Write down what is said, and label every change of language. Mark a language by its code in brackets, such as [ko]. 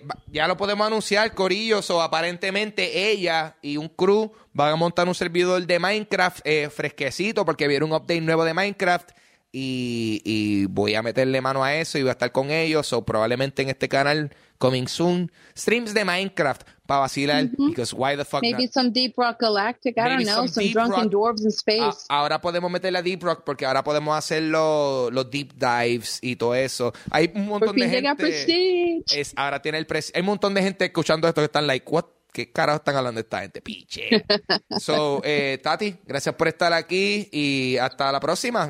[es] Ya lo podemos anunciar, Corillos, o aparentemente ella y un crew van a montar un servidor de Minecraft fresquecito porque vieron un update nuevo de Minecraft y voy a meterle mano a eso y voy a estar con ellos o probablemente en este canal [en] coming soon [es] streams de Minecraft para vacilar. [en] Mm-hmm. Because why the fuck maybe not? Some Deep Rock Galactic, I maybe don't know, some drunken rock. Dwarves in space. [es] Ahora podemos meterle a Deep Rock porque ahora podemos hacer los deep dives y todo eso. Hay un montón de gente ahora tiene el hay un montón de gente escuchando esto que están [en] like what. [es] ¿Qué carajo están hablando esta gente? Piche. So, Tati, gracias por estar aquí y hasta la próxima.